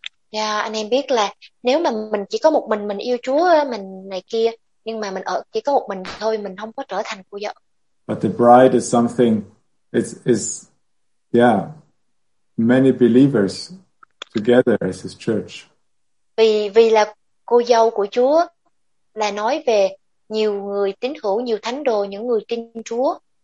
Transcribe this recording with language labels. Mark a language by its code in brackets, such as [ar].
[vi] Yeah, anh em biết là nếu mà mình chỉ có một mình yêu Chúa, mình này kia, nhưng mà mình ở chỉ có một mình thôi, mình không có trở thành cô vợ. [en] But the bride is something, it's many believers together as his church. [vi] Vì là cô dâu của Chúa là nói về nhiều người tín hữu, nhiều thánh đồ, những người tin Chúa.